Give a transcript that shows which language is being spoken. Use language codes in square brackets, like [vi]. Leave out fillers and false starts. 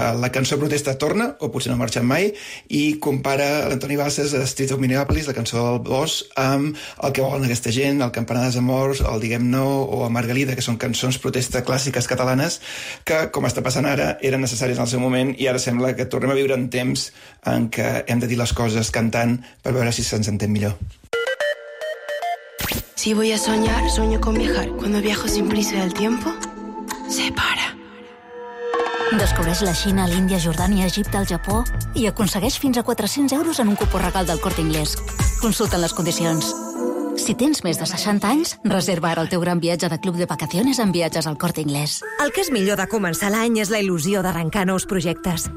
[ca] La cançó protesta torna, o potser no marxa mai, i compara l'Antoni Bassas a Street of Minneapolis, la cançó del Boss, amb el que volen aquesta gent, el Campanar dels Amors, el Diguem No o a Margalida, que són cançons protesta clàssiques catalanes, que, com està passant ara, eren necessàries en el seu moment, i ara sembla que tornem a viure en temps en què hem de dir les coses cantant per veure si se'ns entén millor. [es] Si voy a soñar, sueño con viajar. Cuando viajo sin prisa del tiempo, se para. [ca] Descobreix la Xina, l'Índia, Jordània, Egipte, el Japó i aconsegueix fins a 400 euros en un cupó regal del Corte Inglés. Consulta les condicions. Si tens més de 60 anys, reserva ara el teu gran viatge de club de vacaciones amb Viatges al Corte Inglés. El que és millor de començar l'any és la il·lusió d'arrencar nous projectes.